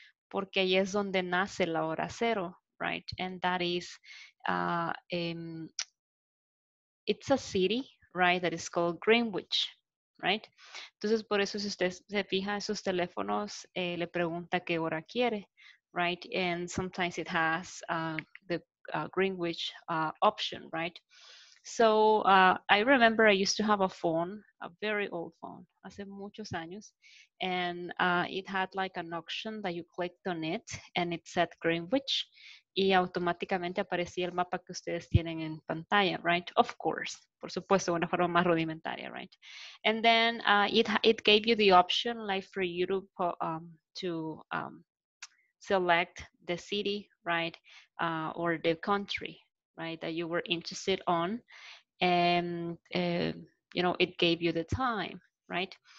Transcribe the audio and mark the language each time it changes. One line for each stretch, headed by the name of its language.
Spanish: Porque ahí es donde nace la hora cero, right?
English: And that is, it's a city, right? That is called Greenwich, right?
Spanish: Entonces, por eso, si usted se fija en sus teléfonos, le pregunta qué hora quiere, right?
English: And sometimes it has the Greenwich option, right? So, I remember I used to have a phone, a very old phone,
Spanish: hace muchos años,
English: and it had like an option that you clicked on it, and it said Greenwich,
Spanish: y automáticamente aparecía el mapa que ustedes tienen en pantalla,
English: right? Of course,
Spanish: por supuesto, una forma más rudimentaria, right?
English: And then it gave you the option, like, for you to select the city, right, or the country, right, that you were interested on, and it gave you the time, right?